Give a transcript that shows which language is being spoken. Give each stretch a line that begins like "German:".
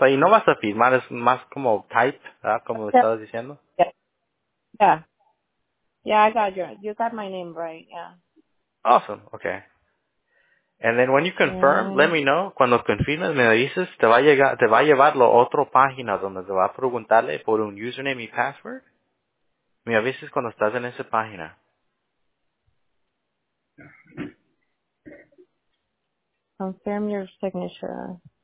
Spanish: Ahí no vas a feed más, es más como type, ¿verdad? Como lo estabas diciendo.
English: Yeah. Yeah, I got you got my name right, yeah. Awesome, okay. And then when you confirm, let me know.
Spanish: Cuando confirmes, me dices, te va a llevar la otra página donde te va a preguntarle por un username y password. Me avises cuando estás en esa página.
English: Confirm your signature.